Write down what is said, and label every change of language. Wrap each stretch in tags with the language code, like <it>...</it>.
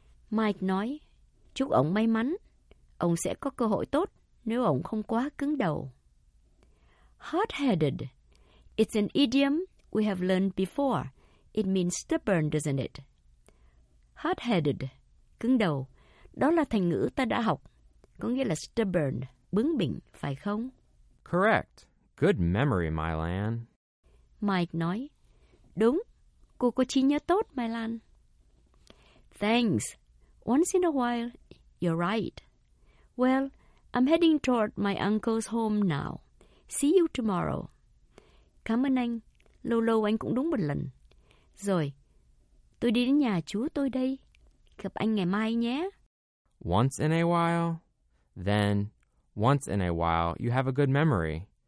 <vi>Mike nói, chúc ông may mắn. Ông sẽ có cơ hội tốt nếu ông không quá cứng đầu.</vi> <en>Hard-headed. It's an idiom we have learned before. It means stubborn, doesn't it?</en> <vi>Hard-headed, cứng đầu, đó là thành ngữ ta đã học, có nghĩa là stubborn, bướng bỉnh, phải không?</vi> <en>Correct. Good memory, Mylan.</en> <vi>Mike nói, đúng, cô có trí nhớ tốt, Mylan.</vi> <en>Thanks. Once in a while, you're right. Well, I'm heading toward my uncle's home now. See you tomorrow.</en> <vi>Cảm ơn anh. Lâu lâu anh cũng đúng một lần. Rồi. Tôi đi đến nhà chú tôi đây. Gặp anh ngày mai nhé.</vi> <en>Once in a while. Then, once in a while, you have a good memory.</en>